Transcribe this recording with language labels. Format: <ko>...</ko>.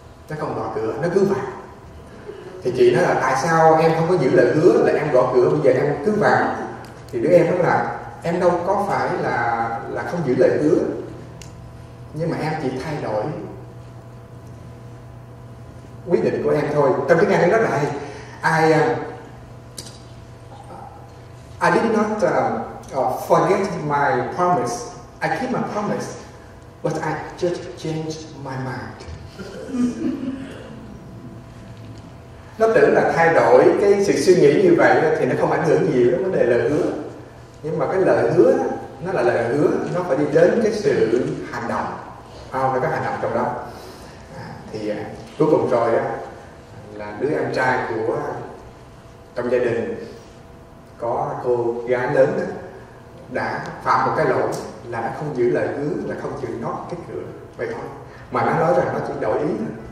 <vi>Nó không gõ cửa, nó cứ vào. Thì chị nói là tại sao em không có giữ lời hứa là em gõ cửa, bây giờ em cứ vào. Thì đứa em nói là em đâu có phải là không giữ lời hứa, nhưng mà em chỉ thay đổi quyết định của em thôi. Tâm tiếng Anh nó rất là hay.</vi> <en>I did not forget my promise. I keep my promise, but I just changed my mind.</en> <vi>Nó tưởng là thay đổi cái sự suy nghĩ như vậy thì nó không ảnh hưởng gì đến vấn đề lời hứa. Nhưng mà cái lời hứa nó là lời hứa, nó phải đi đến cái sự hành động. Không, nó có hành động trong đó. Thì cuối cùng rồi á, là đứa em trai của trong gia đình có cô gái lớn đó, đã phạm một cái lỗi là đã không giữ lời hứa, là không chịu nó cái cửa vậy thôi, mà nó nói rằng nó chỉ đổi ý thôi.</vi>